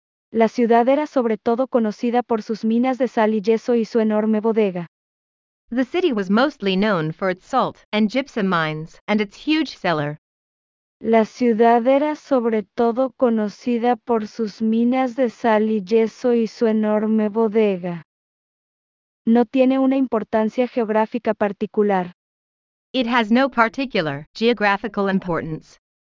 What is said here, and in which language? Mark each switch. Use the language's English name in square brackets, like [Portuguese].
[Spanish] La ciudad era sobre todo conocida por sus minas de sal y yeso y su enorme bodega. [English] The city was mostly known for its salt and gypsum mines and its huge cellar. [Spanish] La ciudad era sobre todo conocida por sus minas de sal y yeso y su enorme bodega. No tiene una importancia geográfica particular. [English] It has no particular geographical importance.